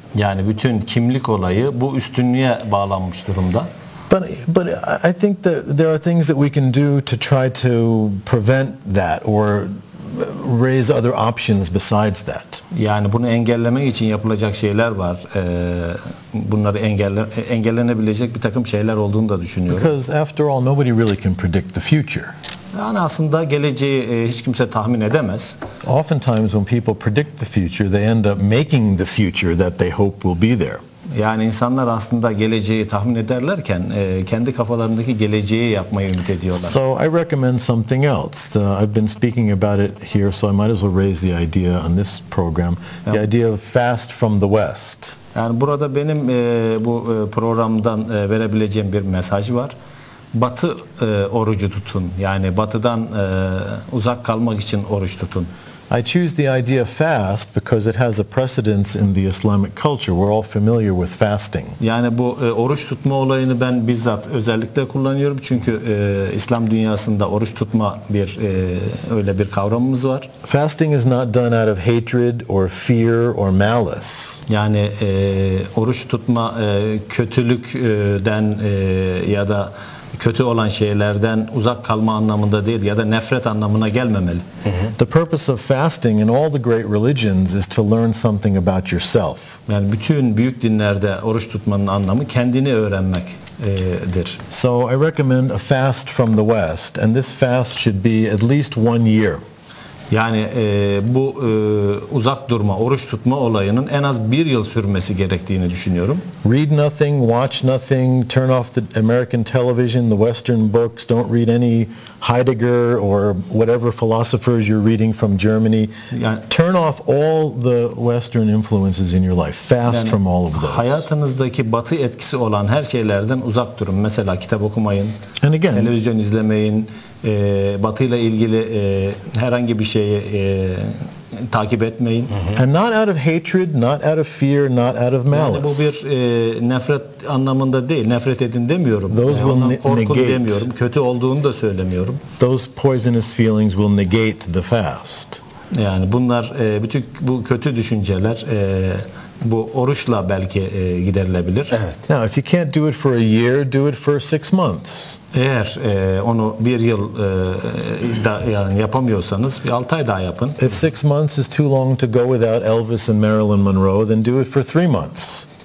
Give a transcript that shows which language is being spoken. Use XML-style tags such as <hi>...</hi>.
<tr>Yani bütün kimlik olayı bu üstünlüğe bağlanmış durumda.</tr> <en>But I think that there are things that we can do to try to prevent that or raise other options besides that.</en> <tr>Yani bunu engellemek için yapılacak şeyler var. Bunları engellenebilecek bir takım şeyler olduğunu da düşünüyorum.</tr> <en>Because after all, nobody really can predict the future.</en> <tr>Yani aslında geleceği hiç kimse tahmin edemez.</tr> <en>Oftentimes when people predict the future, they end up making the future that they hope will be there.</en> <tr>Yani insanlar aslında geleceği tahmin ederlerken kendi kafalarındaki geleceği yapmayı ümit ediyorlar.</tr> <en>So I recommend something else. I've been speaking about it here, so I might as well raise the idea on this program. The idea of fast from the West.</en> <tr>Yani burada benim bu programdan verebileceğim bir mesaj var. Batı orucu tutun. Yani batıdan uzak kalmak için oruç tutun.</tr> <en>I choose the idea of fast because it has a precedence in the Islamic culture. We're all familiar with fasting.</en> <tr>Yani bu oruç tutma olayını ben bizzat özellikle kullanıyorum çünkü İslam dünyasında oruç tutma bir öyle bir kavramımız var.</tr> <en>Fasting is not done out of hatred or fear or malice.</en> <tr>Yani oruç tutma kötülükten ya da kötü olan şeylerden uzak kalma anlamında değil ya da nefret anlamına gelmemeli.</tr> <en>The purpose of fasting in all the great religions is to learn something about yourself.</en> <tr>Yani bütün büyük dinlerde oruç tutmanın anlamı kendini öğrenmek.</tr> <en>So I recommend a fast from the West, and this fast should be at least one year.</en> <tr>Yani bu uzak durma, oruç tutma olayının en az bir yıl sürmesi gerektiğini düşünüyorum.</tr> <en>Read nothing, watch nothing, turn off the American television, the Western books, don't read any Heidegger or whatever philosophers you're reading from Germany.</en> <tr>Yani,</tr> <en>turn off all the Western influences in your life. Fast</en> <tr>yani,</tr> <en>from all of those.</en> <tr>Hayatınızdaki batı etkisi olan her şeylerden uzak durun. Mesela kitap okumayın,</tr> <en>and again,</en> <tr>televizyon izlemeyin. Batıyla ilgili herhangi bir şeyi takip etmeyin.</tr> <en>And not out of hatred, not out of fear, not out of malice.</en> <tr>Yani bu bir nefret anlamında değil. Nefret edin demiyorum.</tr> <en>Those will negate.</en> <tr>Demiyorum. Kötü olduğunu da söylemiyorum.</tr> <en>Those poisonous feelings will negate the fast.</en> <tr>Yani bunlar bütün bu kötü düşünceler bu oruçla belki giderilebilir. Evet.</tr> <en>Now, if you can't do it for a year, do it for six months.</en> <tr>Eğer onu bir yıl yani yapamıyorsanız bir 6 ay daha yapın.</tr> <en>If six months is too long to go without Elvis and Marilyn Monroe, then do it for three months.</en>